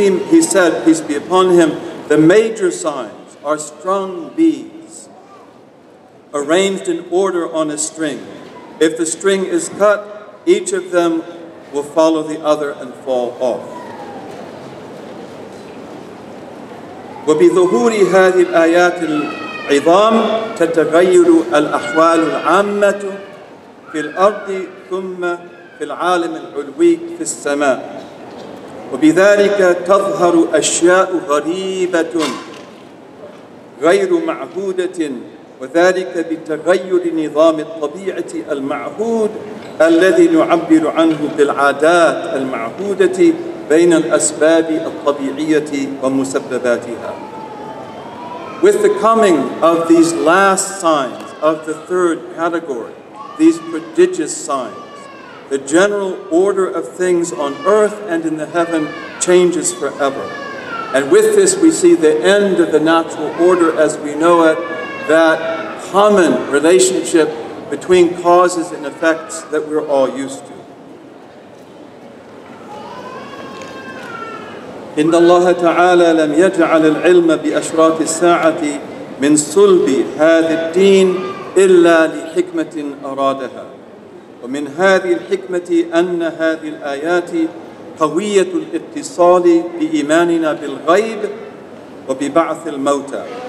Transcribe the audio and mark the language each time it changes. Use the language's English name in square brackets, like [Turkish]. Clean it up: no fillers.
[English] He said, peace be upon him, the major signs are strung beads arranged in order on a string. If the string is cut, Each of them will follow the other and fall off. [Arabic] وبظهور هذه الآيات العظام تتغير الأحوال العامة في الأرض ثم في العالم العلوي في السماء وبذلك تظهر أشياء غريبة غير معهودة وذلك بتغير نظام الطبيعة المعهود الذي نعبر عنه بالعادات المعهودة بين الأسباب الطبيعية ومسبباتها. [English] With the coming of these last signs of the third category, these prodigious signs, the general order of things on earth and in the heaven changes forever. And with this we see the end of the natural order as we know it, that common relationship between causes and effects that we're all used to. [Arabic] إن الله تعالى لم يجعل العلم بأشراط الساعة من صلب هذا الدين إلا لحكمة أرادها ومن هذه الحكمة أن هذه الآيات قوية الاتصال بإيماننا بالغيب وببعث الموتى